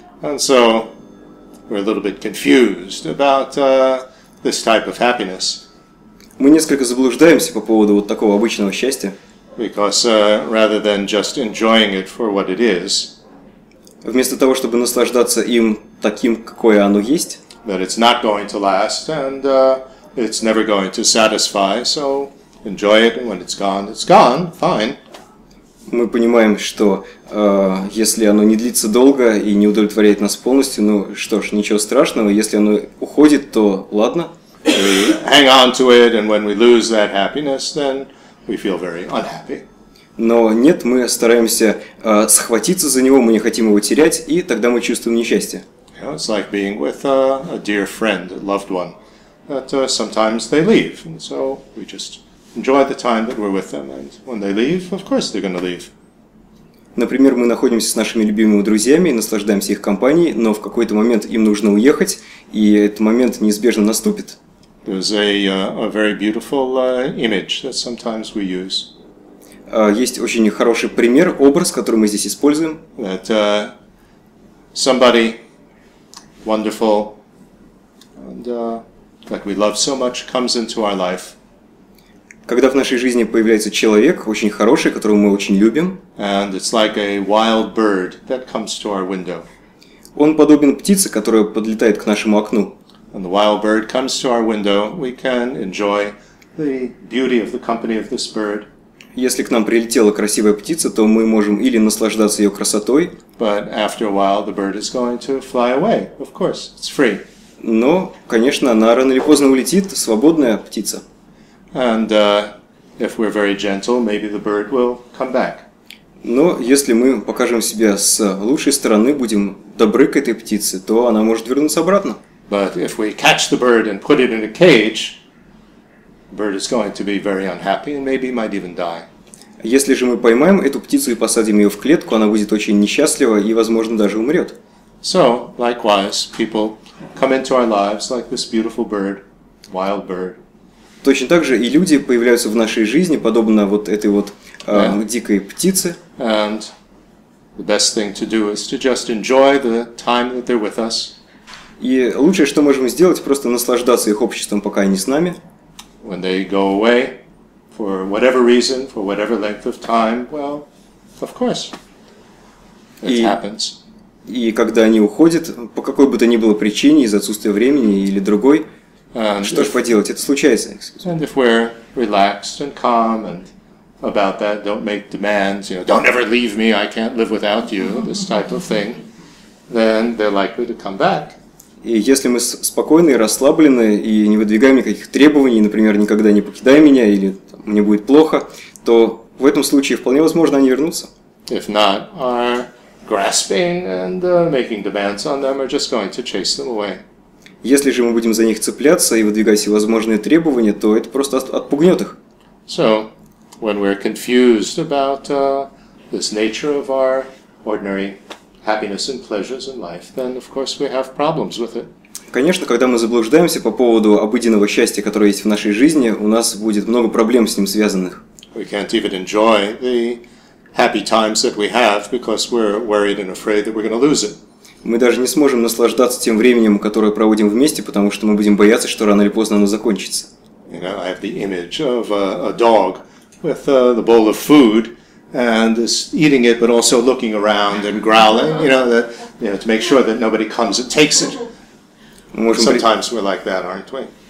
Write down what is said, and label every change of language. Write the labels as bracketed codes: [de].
[en] And so we're a little bit confused about this type of happiness. [ru] Мы несколько заблуждаемся по поводу вот такого обычного счастья. [en] Because rather than just enjoying it for what it is, [ru] вместо того, чтобы наслаждаться им таким, какое оно есть, [en] that it's not going to last and it's never going to satisfy, so enjoy it, and when it's gone, fine. [ru] Мы понимаем, что если оно не длится долго и не удовлетворяет нас полностью, ну что ж, ничего страшного, если оно уходит, то ладно. [en] We hang on to it, and when we lose that happiness, then we feel very unhappy. [ru] Но нет, мы стараемся схватиться за него, мы не хотим его терять, и тогда мы чувствуем несчастье. [en] You know, it's like being with a dear friend, a loved one, that sometimes they leave, and so we just enjoy the time that we're with them, and when they leave, of course they're going to leave. [ru] Например, мы находимся с нашими любимыми друзьями и наслаждаемся их компанией, но в какой-то момент им нужно уехать, и этот момент неизбежно наступит. [en] There's a very beautiful image that sometimes we use. [ru] Есть очень хороший пример, образ, который мы здесь используем. [en] That somebody wonderful and that we love so much comes into our life. [ru] Когда в нашей жизни появляется человек, очень хороший, которого мы очень любим. [en] And it's like a wild bird that comes to our window. [ru] Он подобен птице, которая подлетает к нашему окну. [en] And the wild bird comes to our window, we can enjoy the beauty of the company of this bird. [ru] Если к нам прилетела красивая птица, то мы можем или наслаждаться ее красотой. [en] But after a while the bird is going to fly away, of course, it's free. [ru] Но, конечно, она рано или поздно улетит, свободная птица. [en] And if we're very gentle, maybe the bird will come back. [ru] Но если мы покажем себя с лучшей стороны, будем добры к этой птице, то она может вернуться обратно. [en] But if we catch the bird and put it in a cage, the bird is going to be very unhappy and maybe might even die. [ru] Если же мы поймаем эту птицу и посадим ее в клетку, она будет очень несчастлива и, возможно, даже умрет. [en] So, likewise, people come into our lives like this beautiful bird, wild bird. [ru] Точно так же и люди появляются в нашей жизни, подобно вот этой вот дикой птице. [en] And the best thing to do is to just enjoy the time that they're with us. [ru] И лучшее, что можем сделать, просто наслаждаться их обществом, пока они с нами. [en] When they go away, for whatever reason, for whatever length of time, well, of course, it happens. [ru] И когда они уходят, по какой бы то ни было причине, из-за отсутствия времени или другой, что ж поделать, это случается. [en] And if we're relaxed and calm and about that, don't make demands, you know, don't ever leave me, I can't live without you, this type of thing, then they're likely to come back. [ru] И если мы спокойны и расслаблены, и не выдвигаем никаких требований, например, никогда не покидай меня, или там, мне будет плохо, то в этом случае вполне возможно они вернутся. [en] If not, our grasping and making demands on them are just going to chase them away. [ru] Если же мы будем за них цепляться и выдвигать всевозможные требования, то это просто отпугнет их. [en] So, when we're confused about this nature of our ordinary happiness and pleasures in life, then of course we have problems with it. [ru] Конечно, когда мы заблуждаемся по поводу обыденного счастья, которое есть в нашей жизни, у нас будет много проблем с ним связанных. [en] We can't even enjoy the happy times that we have because we're worried and afraid that we're going to lose it. [ru] Мы даже не сможем наслаждаться тем временем, которое проводим вместе, потому что мы будем бояться, что рано или поздно оно закончится. [en] You know, I have the image of a dog with the bowl of food. And is eating it, but also looking around and growling, you know, that, you know, to make sure that nobody comes and takes it. Sometimes we're like that, aren't we?